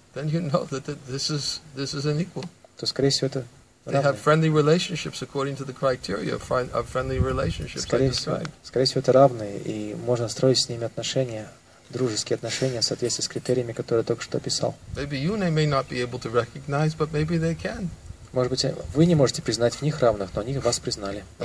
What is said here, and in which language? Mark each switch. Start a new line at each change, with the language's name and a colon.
English: then you know that this is an equal.
Russian: То, скорее всего, это равные.
English: They have friendly relationships according to the criteria of friendly relationships.
Russian: Скорее всего, это равные, и можно строить с ними отношения, дружеские отношения, в соответствии с критериями, которые я только что описал.
English: Maybe you may not be able to recognize, but maybe they can.
Russian: Может быть, вы не можете признать в них равных, но они вас признали.